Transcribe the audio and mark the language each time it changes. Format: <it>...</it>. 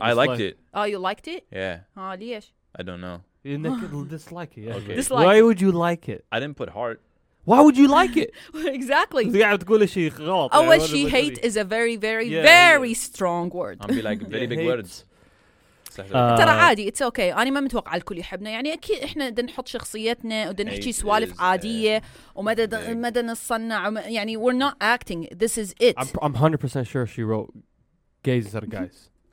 <en>I liked it. Oh, you liked it? Yeah. Oh, yes. I don't know. You dislike it. Yeah. Okay. Dislike. Why would you like it? I didn't put heart. Why would you like it? Exactly. Oh, what she hate is a very, very, very strong word. I'll be like, very big words.</en> <ar>ترى عادي</ar> <en>it's okay.</en> <ar>أنا ما متوقع الكل يحبنا يعني أكيد إحنا دن نحط شخصيتنا ودن نحكي سوالف عادية ومدى نصنع يعني</ar> <en>we're not acting this is it. I'm 100% sure she wrote gays instead of guys.</en>